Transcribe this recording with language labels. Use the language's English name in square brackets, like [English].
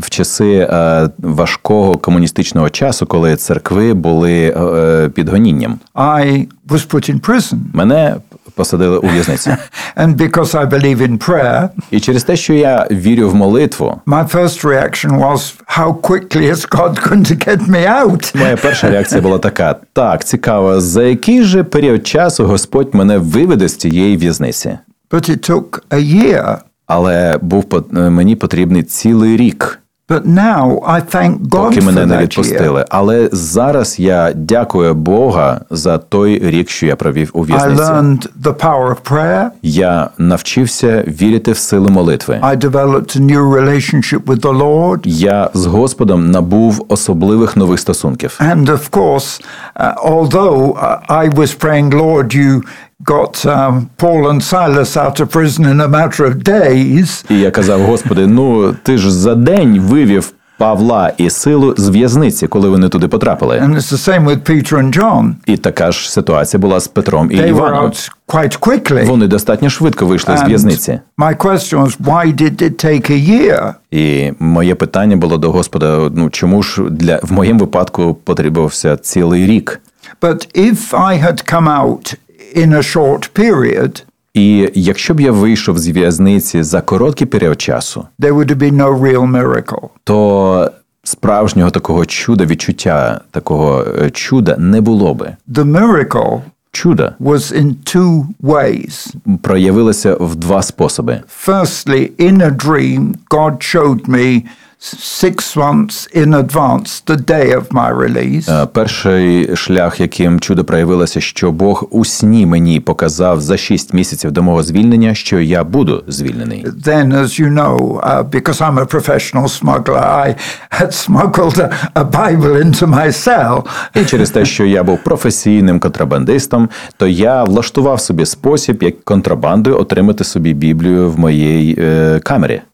[Ukrainian] В часи важкого комуністичного часу, коли церкви були під гонінням. [English] I was put in prison. [Ukrainian] Мене посадили у в'язниці. [English] And because I believe in prayer. [Ukrainian] І через те, що я вірю в молитву. [English] My first reaction was, how quickly is God going to get me out? [Ukrainian] Моя перша реакція була така: так, цікаво, за який же період часу Господь мене виведе з цієї в'язниці? [English] But it took a year. [Ukrainian] Але був мені потрібний цілий рік. [English] But now I thank God [Ukrainian] поки мене [English] for [Ukrainian] не відпустили. [English] That year. [Ukrainian] Але зараз я дякую Бога за той рік, що я провів у в'язниці. [English] I learned the power of prayer. [Ukrainian] Я навчився вірити в силу молитви. [English] I developed a new relationship with the Lord. [Ukrainian] Я з Господом набув особливих нових стосунків. [English] And of course, although I was praying, Lord, you got Paul and Silas out of prison in a matter of days. [Ukrainian] І я казав: Господи, ну ти ж за день вивів Павла і Силу з в'язниці, коли вони туди потрапили. [English] And it's the same with Peter and John. [Ukrainian] І така ж ситуація була з Петром і [English] They [Ukrainian] Іваном. [English] Were out quite quickly. [Ukrainian] Вони достатньо швидко вийшли [English] and [Ukrainian] з в'язниці. [English] My question was, why did it take a year? [Ukrainian] І моє питання було до Господа: ну чому ж для в моєму випадку потребувався цілий рік? [English] But if I had come out in a short period. [Ukrainian] І якщо б я вийшов з в'язниці за короткий період часу, [English] there would be no real miracle. [Ukrainian] То справжнього такого чуда, відчуття такого чуда не було би. [English] The miracle [Ukrainian] чуда [English] was in two ways. [Ukrainian] Проявилося в 2 способи. [English] Firstly, in a dream, God showed me 6 months in advance, the day of my release. [Ukrainian] Перший шлях, яким чудо проявилося, що Бог у сні мені показав за 6 місяців до мого звільнення, що я буду звільнений. [English] Then, as you know, because I'm a professional smuggler, I had smuggled a Bible into my cell. [Ukrainian] І через те, що я був професійним контрабандистом, то я влаштував собі спосіб, як контрабандою отримати собі Біблію в моїй камері.